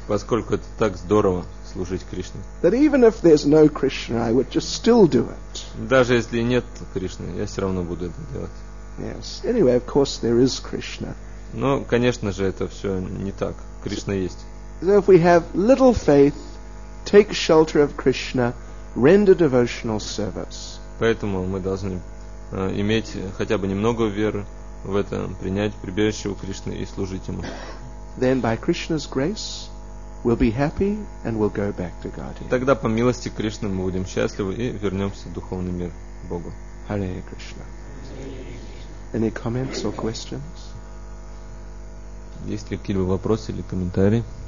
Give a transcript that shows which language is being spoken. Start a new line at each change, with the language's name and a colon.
Russian: Поскольку это так здорово служить Кришне.
English: That even if there's no Krishna, I would just still do it.
Russian: Даже если нет Кришны, я все равно буду это делать.
English: Yes. Anyway, of course there is Krishna.
Russian: Но, конечно же, это все не так. Кришна есть.
English: So if we have little faith, take shelter of Krishna, render devotional service.
Russian: Поэтому мы должны иметь хотя бы немного веры в это, принять прибежище у Кришны и служить ему.
English: Then by Krishna's grace, we'll be happy and we'll go back to Godhead.
Russian: Тогда по милости Кришны мы будем счастливы и вернемся в духовный мир Богу.
English: Hare Krishna. Any comments or questions?
Russian: Есть ли какие-либо вопросы или комментарии?